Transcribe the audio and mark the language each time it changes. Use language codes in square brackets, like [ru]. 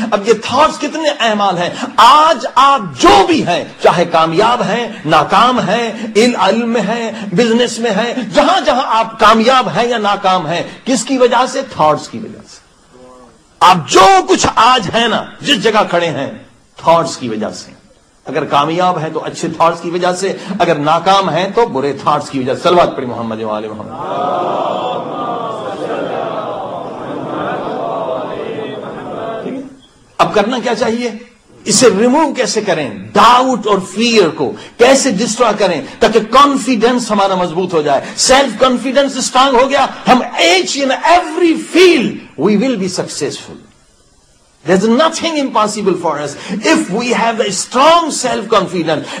[ur] اب یہ تھاٹس کتنے اہمال ہیں. آج آپ جو بھی ہیں, چاہے کامیاب ہیں, ناکام ہیں, علم میں ہیں, بزنس میں ہیں, جہاں جہاں آپ کامیاب ہیں یا ناکام ہیں, کس کی وجہ سے؟ تھاٹس کی وجہ سے. آپ جو کچھ آج ہیں نا, جس جگہ کھڑے ہیں, تھاٹس کی وجہ سے. اگر کامیاب ہے تو اچھے تھاٹس کی وجہ سے, اگر ناکام ہے تو برے تھاٹس کی وجہ سے. سلوات پڑھی محمد و آل محمد. اب کرنا کیا چاہیے؟ اسے ریموو کیسے کریں, ڈاؤٹ اور فیئر کو کیسے ڈسٹرو کریں تاکہ کانفیڈنس ہمارا مضبوط ہو جائے. [en] self confidence strong [ur] ہو گیا, ہم [en] Each and every field we will be successful. There's nothing impossible for us if we have a strong self-confidence.